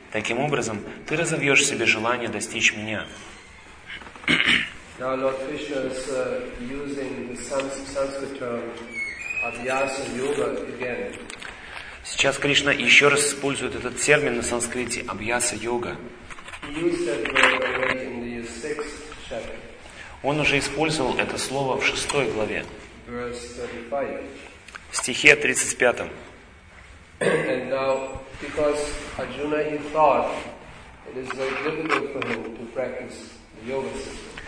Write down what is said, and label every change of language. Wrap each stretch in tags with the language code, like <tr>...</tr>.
<ru>Таким образом, ты разовьешь в себе желание достичь меня.</ru> <en>Now Lord Krishna is using the Sanskrit term Abhyasa Yoga again.</en> <ru>Сейчас Кришна еще раз использует этот термин на санскрите Абьяса Йога.</ru> <en>He used that word already in the 6th chapter.</en> <ru>Он уже использовал это слово в 6 главе.</ru> <en>Verse 35.</en> <ru>В стихе 35.</ru> <en>And now, because Arjuna he thought it is very difficult for him to practice the yoga system.</en>